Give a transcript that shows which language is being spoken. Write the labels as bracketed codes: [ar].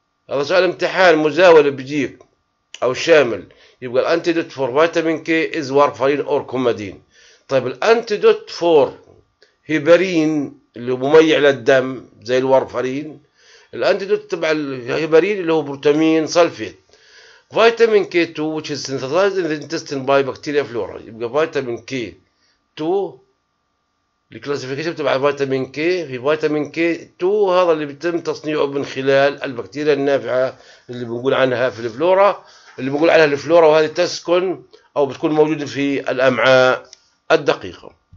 [ar] هذا سؤال امتحان مزاول بيجيك او شامل، يبقى [en] الانتيدوت for vitamin K is warfarin or Coumadin. [ar] طيب [en] الانتيدوت for heparin [ar] اللي مميع للدم زي الوارفارين، الانتيدوت تبع الهيبارين اللي هو بروتامين سلفيت. [en] Vitamin K 2 which is synthesized in the intestine by bacteria flora. [ar] يبقى فيتامين كي 2 الكلاسيفيكيشن تبع فيتامين كي، في فيتامين كي 2 هذا اللي بيتم تصنيعه من خلال البكتيريا النافعه اللي بنقول عنها في الفلورا، اللي بنقول عنها الفلورا، وهذه تسكن او بتكون موجوده في الامعاء الدقيقه.